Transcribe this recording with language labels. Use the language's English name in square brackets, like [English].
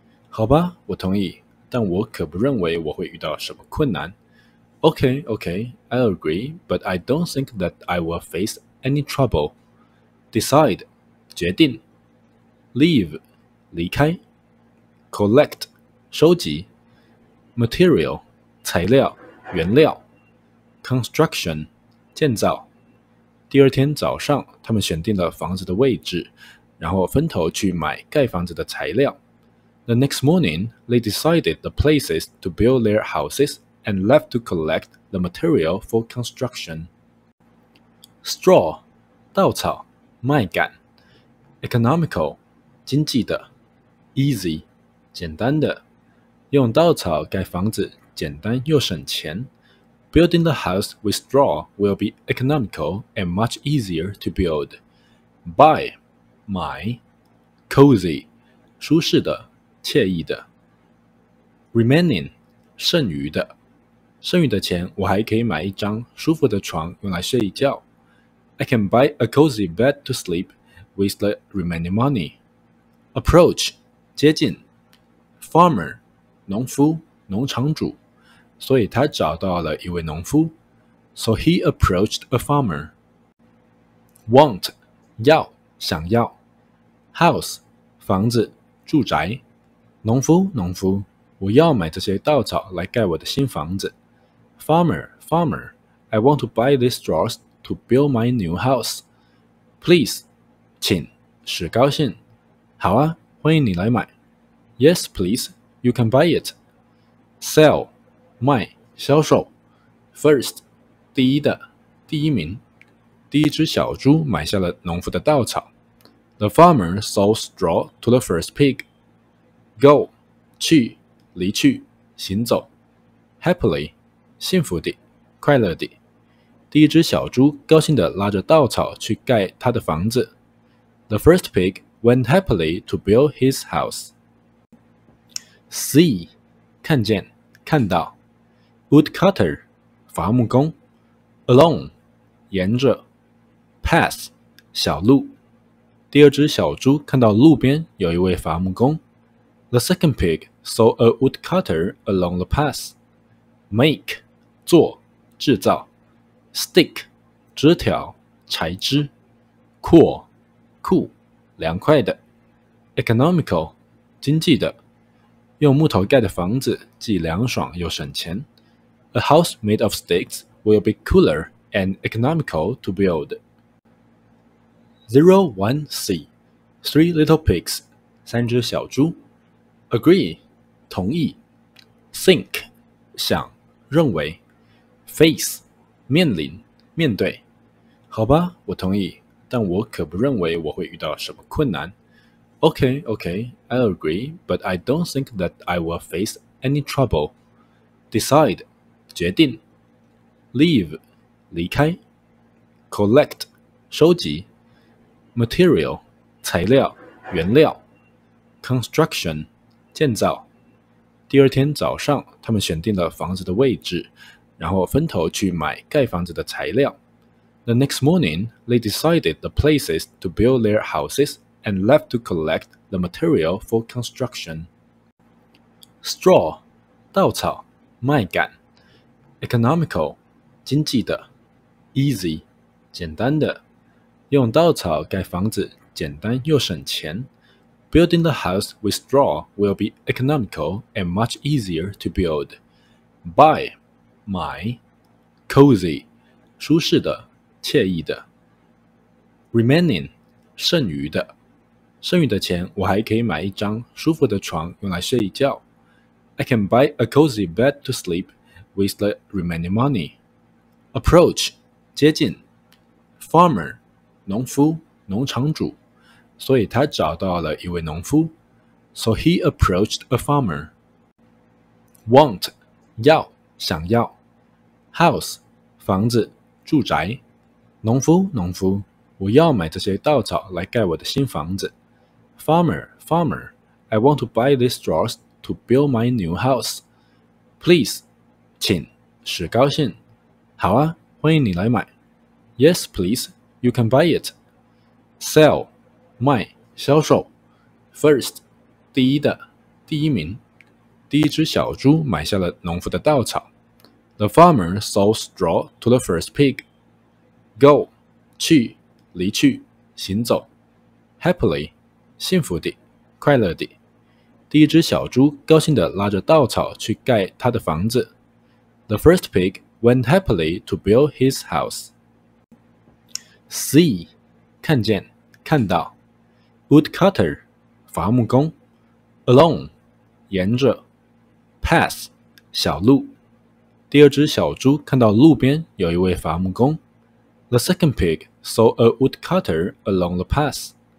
[Chinese] 好吧，我同意，但我可不认为我会遇到什么困难。 [English] Okay, okay, I agree, but I don't think that I will face any trouble. [Chinese] Decide, 决定。Leave, 离开。 Collect, 收集。Material, 材料，原料。 Construction, 建造。第二天早上，他们选定了房子的位置，然后分头去买盖房子的材料。 [English] The next morning, they decided the places to build their houses and left to collect the material for construction. [Chinese] Straw, 稻草，麦秆。Economical, 经济的。 Easy, 简单的。用稻草盖房子，简单又省钱。 [English] Building the house with straw will be economical and much easier to build. [Chinese] Buy, 买。Cozy, 舒适的。惬意的。 Remaining, 剩余的。剩余的钱我还可以买一张舒服的床用来睡一觉。 [English] I can buy a cozy bed to sleep with the remaining money. [Chinese] Approach, 接近。Farmer, 农夫，农场主。所以他找到了一位农夫。 [English] So he approached a farmer. Want, 要，想要。 [Chinese] House, 房子，住宅。农夫，农夫，我要买这些稻草来盖我的新房子。 [English] Farmer, farmer, I want to buy these straws to build my new house. [Chinese] Please, 请，使高兴。好啊，欢迎你来买。 [English] Yes, please, you can buy it. Sell, 卖，销售。 [Chinese] First, 第一的，第一名。第一只小猪买下了农夫的稻草。 [English] The farmer sold straw to the first pig. [Chinese] Go, 去，离去，行走。Happily, 幸福地，快乐地。第一只小猪高兴地拉着稻草去盖他的房子。 [English] The first pig went happily to build his house. [Chinese] See, 看见，看到。Woodcutter, 伐木工。 Along, 沿着。Pass, 小路。第二只小猪看到路边有一位伐木工。 [English] The second pig saw a woodcutter along the path. [Chinese] Make, 做，制造。Stick, 枝条，柴枝。 Cool, 酷，凉快的。Economical, 经济的。用木头盖的房子既凉爽又省钱。 [English] A house made of sticks will be cooler and economical to build. 01C, Three little pigs, 三只小猪。 [Chinese] Agree, 同意。Think, 想，认为。 Face, 面临，面对。好吧，我同意，但我可不认为我会遇到什么困难。 [English] Okay, okay, I agree, but I don't think that I will face any trouble. [Chinese] Decide, 决定。Leave, 离开。 Collect, 收集。Material, 材料，原料。 Construction,建造。第二天早上，他们选定了房子的位置，然后分头去买盖房子的材料。 [English] The next morning, they decided the places to build their houses and left to collect the material for construction. [Chinese] Straw, 稻草，麦秆。Economical, 经济的。 Easy, 简单的。用稻草盖房子，简单又省钱。 [English] Building the house with straw will be economical and much easier to build. [Chinese] Buy, 买。Cozy, 舒适的，惬意的。 Remaining, 剩余的。剩余的钱我还可以买一张舒服的床用来睡一觉。 [English] I can buy a cozy bed to sleep with the remaining money. [Chinese] Approach, 接近。Farmer, 农夫，农场主。所以他找到了一位农夫。 [English] So he approached a farmer. Want, 要，想要。 [Chinese] House, 房子，住宅。农夫，农夫，我要买这些稻草来盖我的新房子。 [English] Farmer, farmer, I want to buy these straws to build my new house. [Chinese] Please, 请是高兴。好啊，欢迎你来买。 [English] Yes, please, you can buy it. Sell, 卖，销售。 [Chinese] First, 第一的，第一名。第一只小猪买下了农夫的稻草。 [English] The farmer sold straw to the first pig. [Chinese] Go, 去，离去，行走。Happily, 幸福地，快乐地。第一只小猪高兴地拉着稻草去盖他的房子。 [English] The first pig went happily to build his house. [Chinese] See, 看见，看到。Woodcutter, 伐木工。 Along, 沿着。Path, 小路。第二只小猪看到路边有一位伐木工。 [English] The second pig saw a woodcutter along the path.